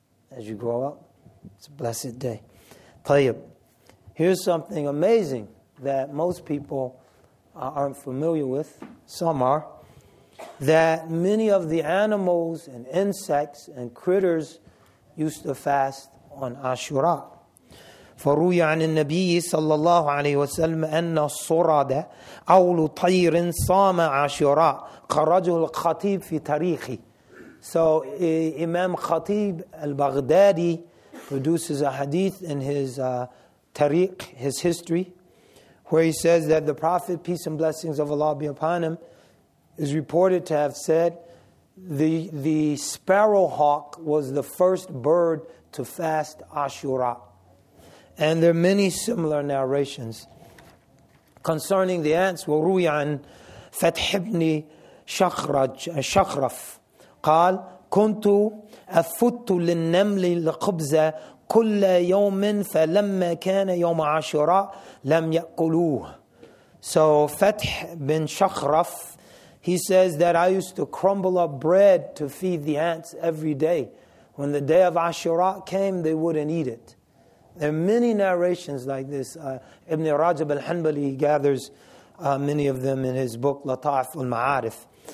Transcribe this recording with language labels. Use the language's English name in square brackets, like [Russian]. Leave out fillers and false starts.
[English] As you grow up, it's a blessed day. Tayyib, here's something amazing that most people aren't familiar with. Some are. That many of the animals and insects and critters used to fast on Ashura. [Arabic] فروي عن النبي صلى الله عليه وسلم أن الصراد أول طير صام عاشوراء خرجه الخطيب في تاريخه. [English] So Imam Khatib al-Baghdadi produces a hadith in his tariq, his history, where he says that the Prophet, peace and blessings of Allah be upon him, is reported to have said the sparrowhawk was the first bird to fast Ashura. And there are many similar narrations concerning the ants. [Arabic] وروي عن فتح بن شخرف قال كنت أفت للنمل القبزة كل يوم فلما كان يوم عاشوراء لم يأكلوه. [English] So فتح بن شخرف, he says that I used to crumble up bread to feed the ants every day. When the day of Ashura came, they wouldn't eat it. There are many narrations like this. Ibn Rajab al-Hanbali gathers many of them in his book, Lata'if al-Ma'arif.